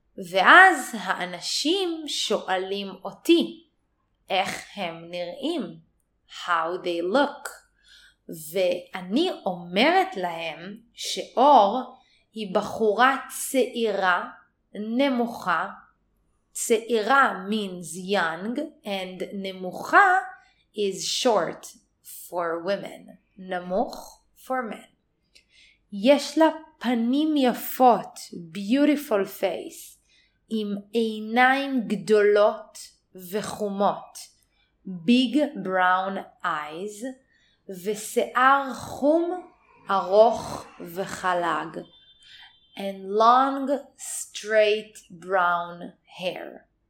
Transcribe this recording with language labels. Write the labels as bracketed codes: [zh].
[he] ואז האנשים שואלים אותי, איך הם נראים? [en] How they look? [he] ואני אומרת להם שאור היא בחורה צעירה, נמוכה. [en] צעירה means young and נמוכה is short for women. נמוך for men. [he] יש לה פנים יפות, [en] beautiful face, [he] עם עיניים גדולות וחומות, [en] big brown eyes, [he] ושיער חום ארוך וחלג. [en] and long, straight brown hair.